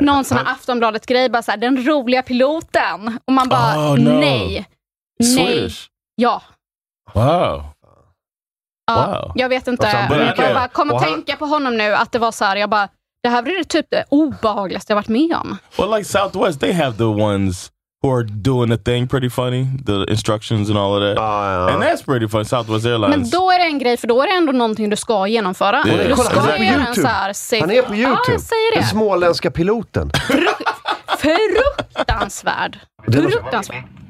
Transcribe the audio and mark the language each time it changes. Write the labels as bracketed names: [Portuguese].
[Swedish] Någon sån här Aftonbladet grej, bara så här, den roliga piloten. Och man bara, nej. [English] Swedish? [Swedish] Ja. [English] Wow. [Swedish] Ja, wow. Jag vet inte. Jag bara kom och tänka på honom nu, att det var så här, jag bara, det här blir det typ det obehagligaste jag varit med om. [English] Well, like Southwest, they have the ones who are doing the thing pretty funny. The instructions and all of that. Yeah. And that's pretty funny, Southwest Airlines. [Swedish] Men då är det en grej, för då är det ändå någonting du ska genomföra. Yeah. Du ska göra en så här... Han är på YouTube. Ja, säger det. Den småländska piloten. Fruktansvärd. Fruktansvärd.